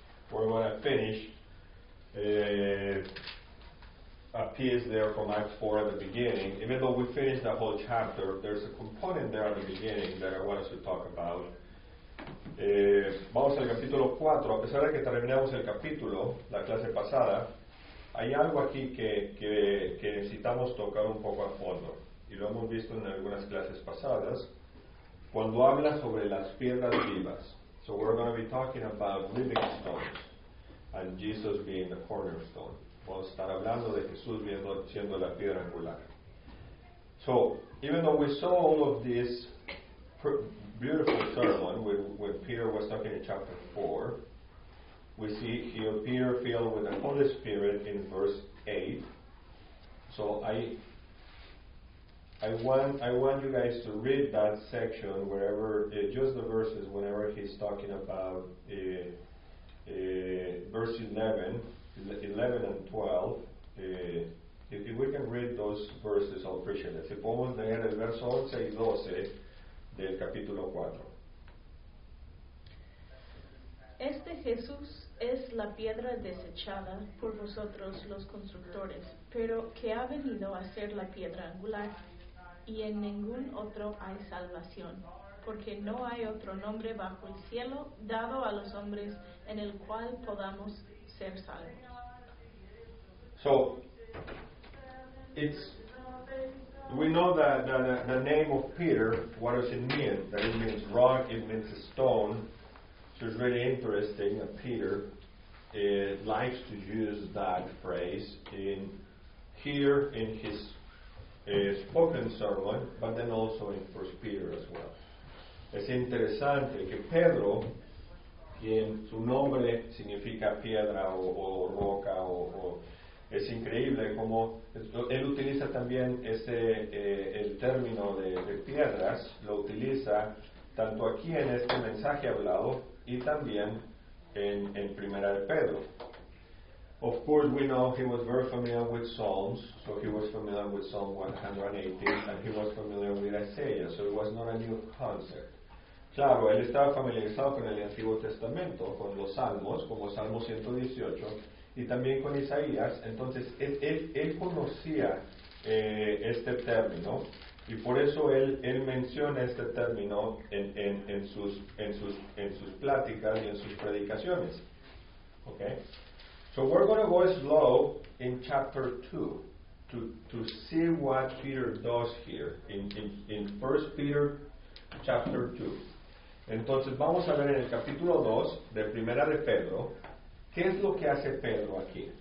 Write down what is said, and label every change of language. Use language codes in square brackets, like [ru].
[en] We're going to finish a piece there from Acts 4 at the beginning. Even though we finished the whole chapter, there's a component there at the beginning that I want us to talk about. [es] Vamos al capítulo 4. A pesar de que terminamos el capítulo, la clase pasada, hay algo aquí que necesitamos tocar un poco a fondo. Y lo hemos visto en algunas clases pasadas, cuando habla sobre las piedras vivas. [en] So we're going to be talking about living stones and Jesus being the cornerstone. [es] Vamos a estar hablando de Jesús siendo la piedra angular. [en] So even though we saw all of this beautiful sermon when Peter was talking in chapter 4, we see here Peter filled with the Holy Spirit in verse 8. So I want you guys to read that section wherever, just the verses, whenever he's talking about verse 11 and 12. If we can read those verses, I'll appreciate it. [es] Si podemos leer el verso 11 y 12 del capítulo 4. Este Jesús es la piedra desechada por vosotros los constructores, pero que ha venido a ser la piedra angular. Y en ningún otro hay salvación, porque no hay otro nombre bajo el cielo dado a los hombres en el cual podamos ser salvos. [en] So, it's, we know that the name of Peter, what does it mean? That it means rock, it means stone. So it's really interesting that Peter likes to use that phrase in here in his spoken sermon, but then also in First Peter as well. [es] Es interesante que Pedro, quien su nombre significa piedra o roca, o es increíble cómo él utiliza también ese el término de piedras, lo utiliza tanto aquí en este mensaje hablado y también en Primera de Pedro. [en] Of course, we know he was very familiar with Psalms, so he was familiar with Psalm 118, and he was familiar with Isaiah, so it was not a new concept. [es] Claro, él estaba familiarizado con el Antiguo Testamento, con los Salmos, como Salmo 118, y también con Isaías, entonces él conocía este término, y por eso él menciona este término en sus pláticas y en sus predicaciones. [en] Okay. So we're going to go slow in chapter 2 to see what Peter does here in 1 Peter chapter 2. [es] Entonces vamos a ver en el capítulo 2 de Primera de Pedro, ¿qué es lo que hace Pedro aquí?